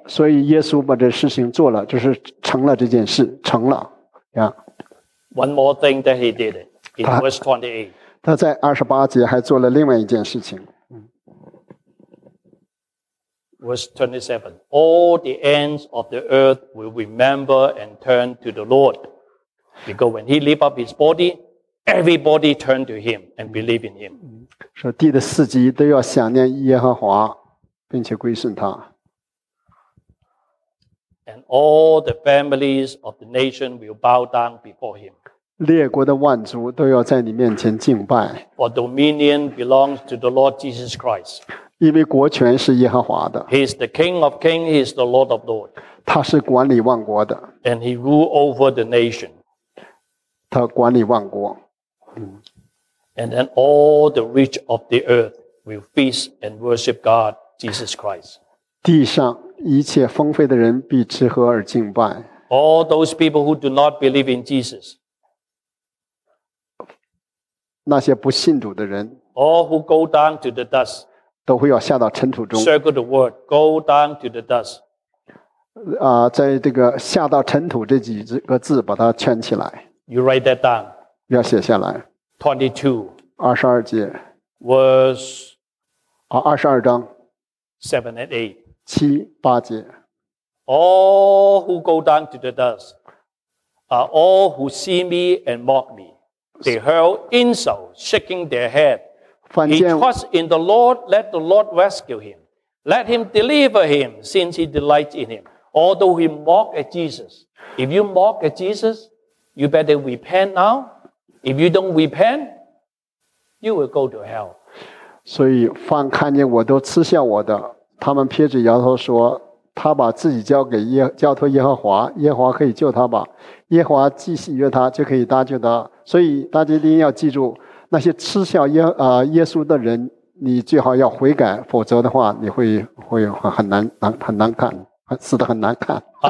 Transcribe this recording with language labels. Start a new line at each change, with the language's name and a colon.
Chinese: 所以耶稣把这事情做了，就是成了这件事，成了。
English: Yeah. One more thing that he did in verse 28.
Chinese: 他在28节还做了另外一件事情。
English: Verse 27. All the ends of the earth will remember and turn to the Lord. Because when he lift up his body, everybody turned to him and believed in him.
Chinese: 说地的四极都要想念耶和华。并且归顺他。
English: And all the families of the nation will bow down before him.
Chinese: 列国的万族都要在你面前敬拜。
English: For dominion belongs to the Lord Jesus Christ.
Chinese: 因为国权是耶和华的。
English: He is the King of kings, he is the Lord of lords.
Chinese: 他是管理万国的。
English: And he rule over the nation.
Chinese: 他管理万国。
English: And then all the rich of the earth will feast and worship God, Jesus Christ.
Chinese: 地上一切丰沛的人必吃喝而敬拜。
English: All those people who do not believe in Jesus.
Chinese: 那些不信主的人。
English: All who go down to the dust.
Chinese: 都会要下到尘土中。
English: Circle the word, go down to the dust.
Chinese: 在这个下到尘土这几个字把它圈起来。
English: You write that down.
Chinese: 要写下来。 22. 二十二节。
English: Verse.
Chinese: 二十二章。 7 and 8. 七八节
English: All who go down to the dust are all who see me and mock me. They hurl insults, shaking their head. He trusts in the Lord, let the Lord rescue him. Let him deliver him, since he delights in him. Although he mock at Jesus. If you mock at Jesus, you better repent now. If you don't repent, you will go to hell.
Chinese: 所以凡看见我都嗤笑我的他们撇嘴摇头说：“他把自己交给耶，交托耶和华，耶和华可以救他吧？耶和华既喜悦他，就可以搭救他。所以大家一定要记住，那些嗤笑耶稣的人，你最好要悔改，否则的话，你会很难看，死得很难看。